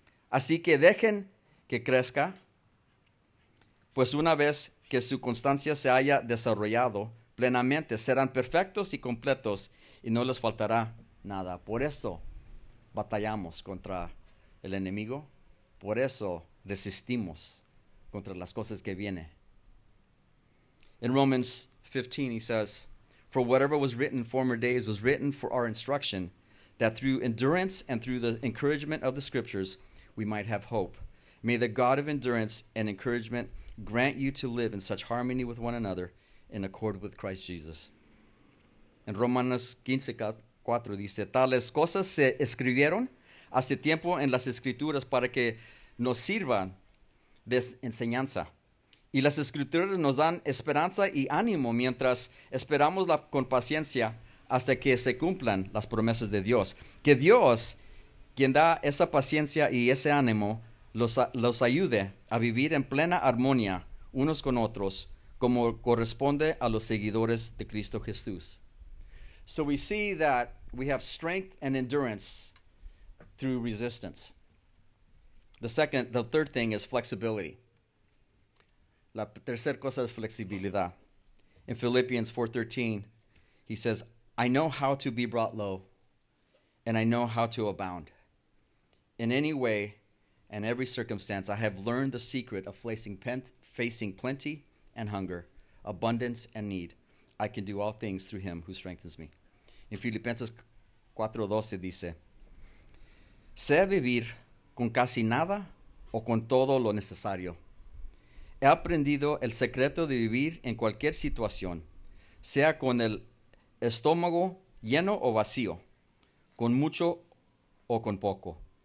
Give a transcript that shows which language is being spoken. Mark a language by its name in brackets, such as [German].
[Spanish] Así que dejen que crezca, pues una vez que su constancia se haya desarrollado plenamente, serán perfectos y completos y no les faltará nada. Por eso batallamos contra el enemigo, por eso resistimos contra las cosas que vienen. [English] En Romans 15, he says, "For whatever was written in former days was written for our instruction, that through endurance and through the encouragement of the scriptures, we might have hope. May the God of endurance and encouragement grant you to live in such harmony with one another in accord with Christ Jesus." [Spanish] En Romanos 15:4 dice, "Tales cosas se escribieron hace tiempo en las escrituras para que nos sirvan de enseñanza. Y las escrituras nos dan esperanza y ánimo mientras esperamos con paciencia hasta que se cumplan las promesas de Dios. Que Dios, quien da esa paciencia y ese ánimo, los ayude a vivir en plena armonía unos con otros, como corresponde a los seguidores de Cristo Jesús." [English] So we see that we have strength and endurance through resistance. The third thing is flexibility. [Spanish] La tercera cosa es flexibilidad. [English] In Philippians 4:13, he says, "I know how to be brought low, and I know how to abound. In any way and every circumstance, I have learned the secret of facing plenty and hunger, abundance and need. I can do all things through him who strengthens me." [Spanish] En Filipenses 4:12 dice, "Sé vivir con casi nada o con todo lo necesario. He aprendido el secreto de vivir en cualquier situación, sea con el estómago lleno o vacío, con mucho o con poco.